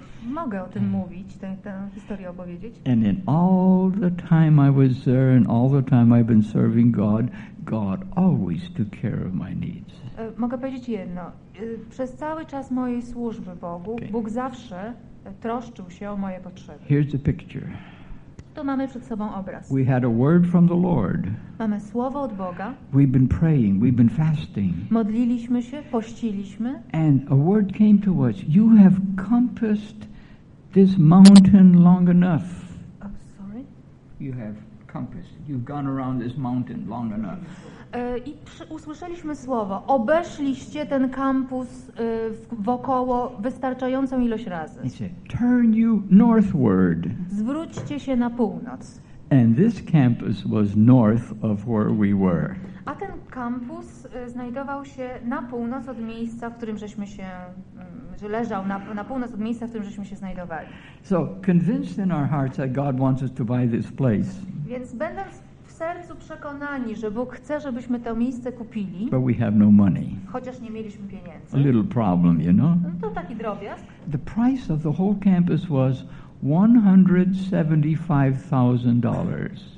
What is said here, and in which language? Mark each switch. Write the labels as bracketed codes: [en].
[pl] Mogę o tym mówić, tę historię opowiedzieć. [en] And in all the time I was there, and all the time I've been serving God, God always took care of my needs. [pl] Mogę powiedzieć jedno. Przez cały czas mojej służby Bogu, okay. Bóg zawsze troszczył się o moje potrzeby. [en] Here's the picture. [pl] Tu mamy przed sobą obraz. [en] We had a word from the Lord. [pl] Mamy słowo od Boga. [en] We've been praying, we've been fasting. [pl] Modliliśmy się, pościliśmy. [en] And a word came to us. You have compassed this mountain long enough. Oh, sorry? You have compassed. You've gone around this mountain long enough. [pl] I usłyszeliśmy słowo. Obeszliście ten kampus wokoło wystarczającą ilość razy. [en] Turn you northward. [pl] Zwróćcie się na północ. [en] And this campus was north of where we were. [pl] A ten kampus znajdował się na północ od miejsca, w którym żeśmy się leżał na północ od miejsca, w którym żeśmy się znajdowali. [en] So convinced in our hearts that God wants us to buy this place. [pl] Więc będąc w sercu przekonani, że Bóg chce, żebyśmy to miejsce kupili. [en] But we have no money. [pl] Chociaż nie mieliśmy pieniędzy. [en] A little problem, you know? [pl] No to taki drobiazg. [en] The price of the whole campus was $175,000.